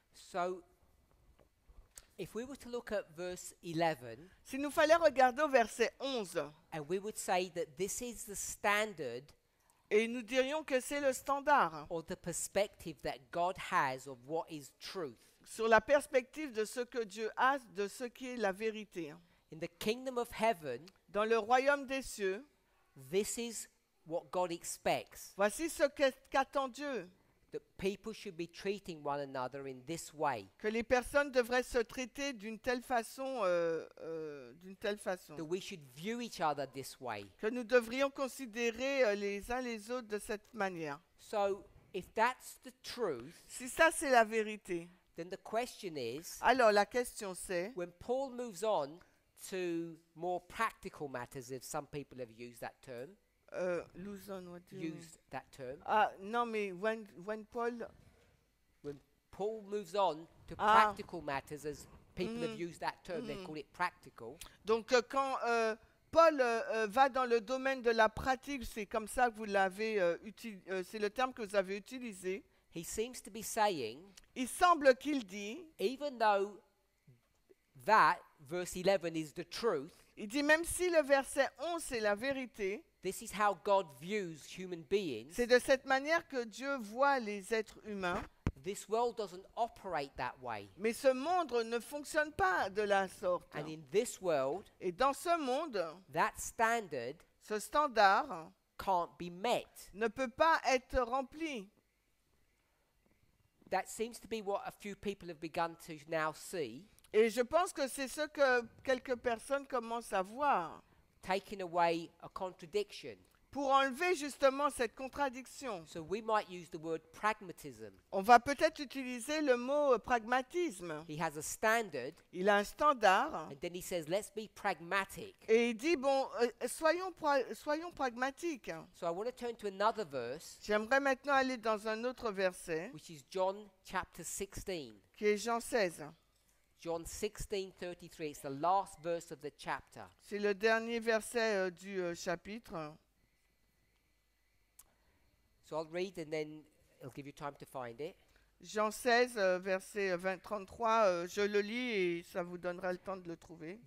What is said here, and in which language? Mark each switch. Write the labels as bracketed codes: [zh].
[en] So, if we were to look at verse 11, [fr] si nous fallait regarder au verset 11, [en] and we would say that this is the standard, [fr] et nous dirions que c'est le standard, [en] or the perspective that God has of what is truth. [fr] Sur la perspective de ce que Dieu a, de ce qui est la vérité. [en] In the kingdom of heaven, [fr] dans le royaume des cieux, [en] this is what God expects. [fr] Voici ce qu'attend Dieu. [en] That people should be treating one another in this way. [fr] Que les personnes devraient se traiter d'une telle façon, d'une telle façon. [en] That we should view each other this way. [fr] Que nous devrions considérer les uns les autres de cette manière. [en] So, if that's the truth, [fr] si ça c'est la vérité, [en] then the question is, [fr] alors la question c'est, [en] when Paul moves on to more practical matters, if some people have used that term. Luzon, what do you used mean? That term. [fr] Non, mais [en] when Paul moves on to practical matters, as people have used that term, they call it practical. [fr] Donc quand Paul va dans le domaine de la pratique, c'est comme ça que vous l'avez c'est le terme que vous avez utilisé. [en] He seems to be saying. [fr] Il semble qu'il dit. [en] Even though that verse 11 is the truth. [fr] Il dit même si le verset 11 c'est la vérité. [en] This is how God views human beings. [fr] C'est de cette manière que Dieu voit les êtres humains. [en] This world doesn't operate that way. [fr] Mais ce monde ne fonctionne pas de la sorte. [en] And in this world, [fr] et dans ce monde, [en] that standard, [fr] ce standard, [en] can't be met. [fr] Ne peut pas être rempli. [en] That seems to be what a few people have begun to now see. [fr] Et je pense que c'est ce que quelques personnes commencent à voir. [en] Taking away a contradiction. [fr] Pour enlever justement cette contradiction. [en] So we might use the word pragmatism. [fr] On va peut-être utiliser le mot pragmatisme. [en] He has a standard. [fr] Il a un standard. [en] And then he says, let's be pragmatic. [fr] Et il dit, bon, soyons pragmatiques. [en] So I want to turn to another verse. [fr] J'aimerais maintenant aller dans un autre verset. [en] Which is John chapter 16. [fr] Qui est Jean 16. [en] John 16:33, it's the last verse of the chapter. [fr] C'est le dernier verset du chapitre. [en] So I'll read and then it'll give you time to find it. [fr] Jean 16, verset 33, je le lis et ça vous donnera le temps de le trouver.